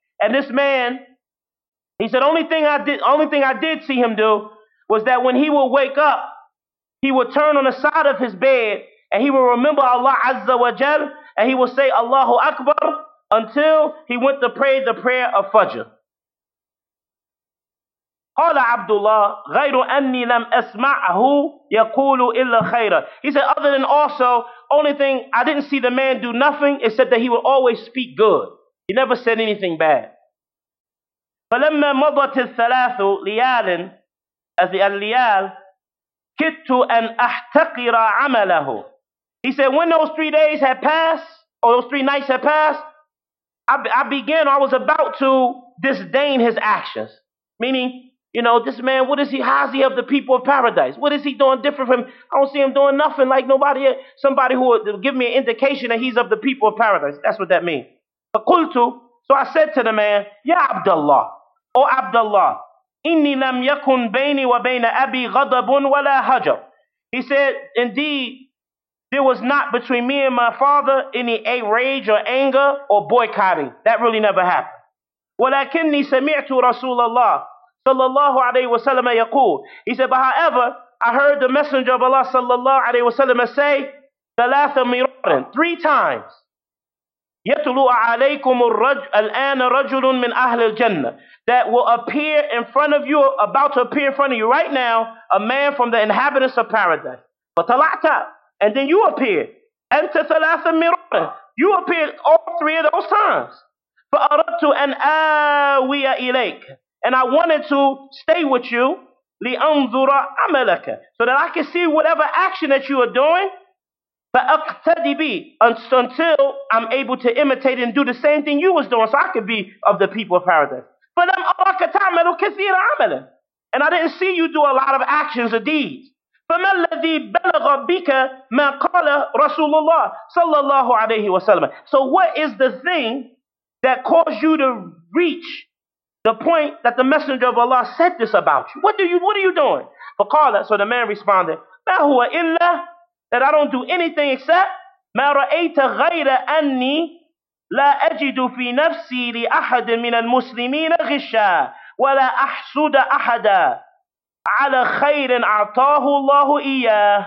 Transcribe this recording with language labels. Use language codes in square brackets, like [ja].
[en] And this man, he said, only thing I did see him do was that when he would wake up, he would turn on the side of his bed and he would remember Allah Azza wa Jal and he would say Allahu Akbar until he went to pray the prayer of Fajr. [ar] قال عبد الله غير أني لم أسمعه يقول إلا خيرا. [en] He said, other than also, only thing, I didn't see the man do nothing except that he would always speak good. He never said anything bad. [ar] فلما مضت الثلاث ليال الليال كدت أن أحتقر عمله. [en] He said, when those 3 days had passed, or those 3 nights had passed, I was about to disdain his actions. Meaning, you know, this man, what is he? How is he of the people of paradise? What is he doing different from, I don't see him doing nothing like nobody, somebody who would give me an indication that he's of the people of paradise. That's what that means. [ar] فقلتُ, [en] so I said to the man, Ya Abdullah, O Abdullah, [ar] إني لم يكن بيني وبين أبي غضب ولا هجر. [en] He said, indeed, there was not between me and my father any rage or anger or boycotting. That really never happened. [ar] ولكني سمعت رسول الله [en] sallallahu alayhi wa sallam yaqul. He said, but however, I heard the Messenger of Allah sallallahu alayhi wa sallam say, [ar] ثلاثة مرارا, [en] 3 times. [ar] يتلو عليكم الآن رجل من أهل الجنة. [en] That will appear in front of you, about to appear in front of you right now, a man from the inhabitants of paradise. [ar] فطلعت, [en] and then you appear. [ar] أنت ثلاثة مرارا. [en] You appear all 3 of those times. [ar] فأردت أن آوي إليك. [en] And I wanted to stay with you, [ar] لِأَنْظُرَ عَمَلَكَ, [en] so that I can see whatever action that you are doing, [ar] فَأَقْتَدِي بِي, [en] until I'm able to imitate and do the same thing you was doing, so I could be of the people of paradise. [ar] فَلَمْ أَرَكَ تَعْمَلُ كَثِيرَ عَمَلًا. [en] And I didn't see you do a lot of actions or deeds. [ar] فَمَا الَّذِي بَلَغَ بِكَ مَا قَالَ رَسُولُ اللَّهِ صَلَّى اللَّهُ عَلَيْهِ وَسَلَّمَ. [en] So what is the thing that caused you to reach the point that the Messenger of Allah said this about you? What are you doing? [ar] فقالت, [en] so the man responded, [ar] ما هو إلا, [en] that I don't do anything except, [ar] ما رأيت غير أني لا أجد في نفسي لأحد من المسلمين غشا ولا أحسد أحدا على خير أعطاه الله إياه.